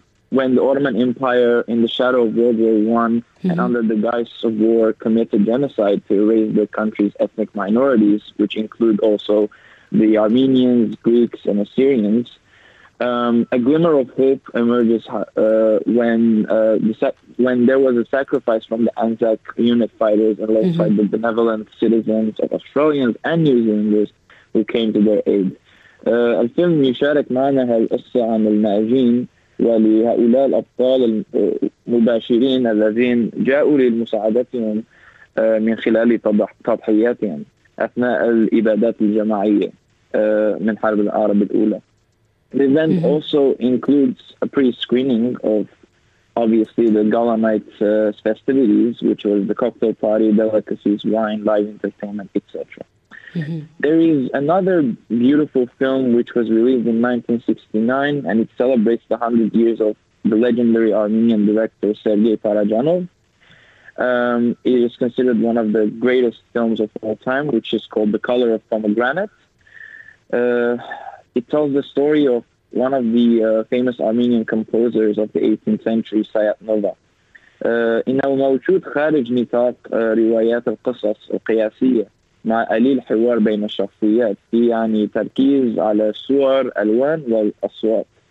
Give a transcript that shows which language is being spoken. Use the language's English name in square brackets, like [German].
[English] when the Ottoman Empire, in the shadow of World War One and under the guise of war, committed genocide to erase the country's ethnic minorities, which include also the Armenians, Greeks, and Assyrians, a glimmer of hope emerges when there was a sacrifice from the Anzac unit fighters alongside the benevolent citizens of Australians and New Zealanders who came to their aid. [Arabic] الفيلم يشارك معنا هالقصة عن المعجين ولهؤلاء الأبطال المباشرين الذين جاءوا لمساعدتهم من خلال تضحياتهم أثناء الإبادات الجماعية من حرب العرب الأولى. [English] The event also includes a pre-screening of, obviously, the Gala Night's festivities, which was the cocktail party, delicacies, wine, live entertainment, etc. There is another beautiful film which was released in 1969, and it celebrates the 100 years of the legendary Armenian director Sergei Parajanov. It is considered one of the greatest films of all time, which is called The Color of Pomegranate. It tells the story of one of the famous Armenian composers of the 18th century, Sayat Nova. [Arabic] إنه موجود خارج نطاق روايات القصص القياسية مع قليل حوار بين الشخصيات في يعني تركيز على صور ألوان والأصوات.